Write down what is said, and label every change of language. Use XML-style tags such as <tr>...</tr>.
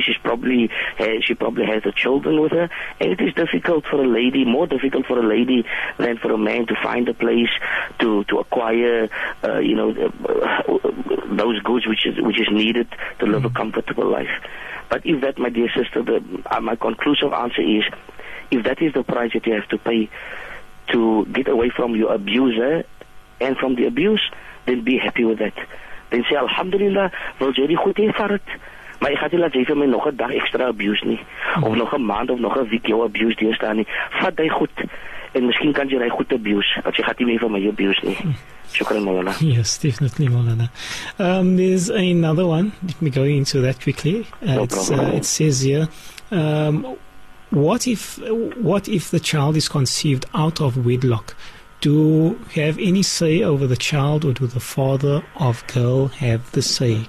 <en>She probably has the children with her. And it is difficult for a lady, more difficult for a lady than for a man to find a place to acquire those goods which is needed to live a comfortable life. But if that, my dear sister, my conclusive answer is, if that is the price that you have to pay to get away from your abuser and from the abuse, then be happy with that. Then say,</en> <af>Alhamdulillah, wil jy die goed hê vir dit. Maar jy gaat nie laat jy vir my nog 'n dag extra abuse nie. Of nog 'n maand of nog 'n week jou abuse deurstaan nie. Vat die goed. En miskien kan jy die goed abuse, want jy gaat nie meer vir my abuse nie.</af> <en>Yes, definitely, Molana. There's another one. Let me go into that quickly. It says here, what if the child is conceived out of wedlock? Do you have any say over the child, or do the father of girl have the say?</en>